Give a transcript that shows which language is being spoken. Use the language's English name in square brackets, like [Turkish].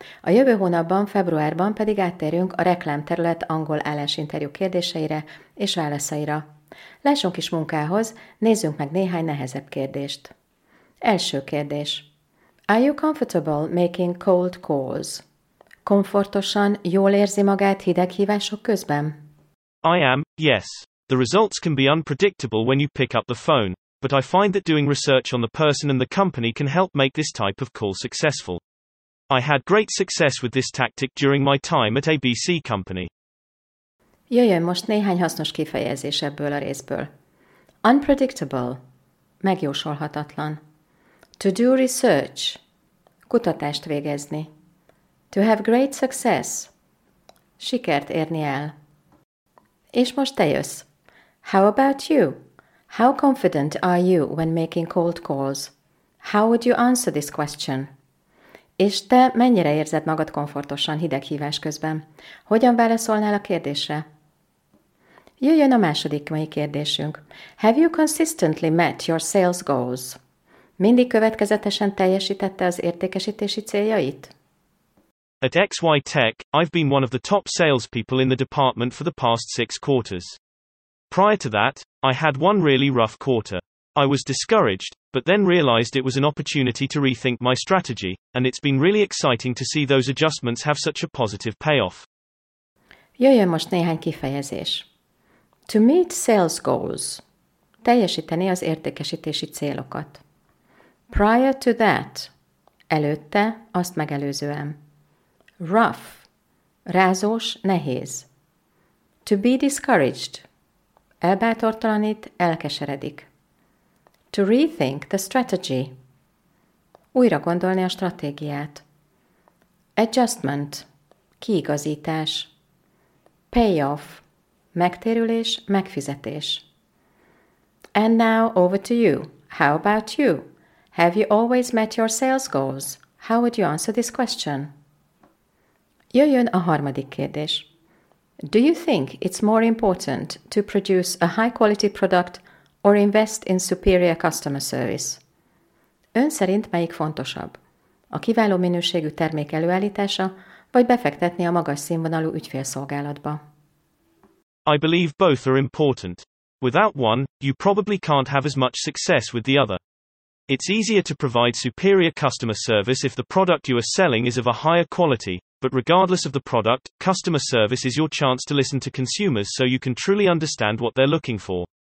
[Hungarian] A jövő hónapban, februárban pedig áttérünk a reklámterület angol állásinterjú kérdéseire és válaszaira. Lássunk is munkához, nézzünk meg néhány nehezebb kérdést. Első kérdés. [English] Are you comfortable making cold calls? [Hungarian] Komfortosan jól érzi magát hideg hívások közben? [English] I am, yes. The results can be unpredictable when you pick up the phone, but I find that doing research on the person and the company can help make this type of call successful. I had great success with this tactic during my time at ABC company. [Hungarian] Jöjjön most néhány hasznos kifejezés ebből a részből. [English] Unpredictable. [Hungarian] Megjósolhatatlan. [English] To do research. [Hungarian] Kutatást végezni. [English] To have great success. [Hungarian] Sikert érni el. És most te jössz. [English] How about you? How confident are you when making cold calls? How would you answer this question? [Hungarian] És te mennyire érzed magad komfortosan hideg hívás közben? Hogyan válaszolnál a kérdésre? Jöjjön a második mai kérdésünk. [English] Have you consistently met your sales goals? [Hungarian] Mindig következetesen teljesítette az értékesítési céljait? [English] At XY Tech, I've been one of the top salespeople in the department for the past 6 quarters. Prior to that, I had one really rough quarter. I was discouraged, but then realized it was an opportunity to rethink my strategy, and it's been really exciting to see those adjustments have such a positive payoff. [Hungarian] Jöjjön most néhány kifejezés. [English] To meet sales goals. [Hungarian] Teljesíteni az értékesítési célokat. [English] Prior to that. [Hungarian] Előtte, azt megelőzően. [English] Rough. [Hungarian] Rázós, nehéz. [English] To be discouraged. [Hungarian] Elbátortalanít, elkeseredik. [English] To rethink the strategy. [Hungarian] Újra gondolni a stratégiát. [English] Adjustment. [Hungarian] Kiigazítás. [English] Payoff. [Hungarian] Megtérülés, megfizetés. [English] And now over to you. How about you? Have you always met your sales goals? How would you answer this question? [Hungarian] Jöjjön a harmadik kérdés. [English] Do you think it's more important to produce a high-quality product or invest in superior customer service? [Hungarian] Ön szerint melyik fontosabb? A kiváló minőségű termék előállítása, vagy befektetni a magas színvonalú ügyfélszolgálatba? [English] I believe both are important. Without one, you probably can't have as much success with the other. It's easier to provide superior customer service if the product you are selling is of a higher quality, but regardless of the product, customer service is your chance to listen to consumers so you can truly understand what they're looking for.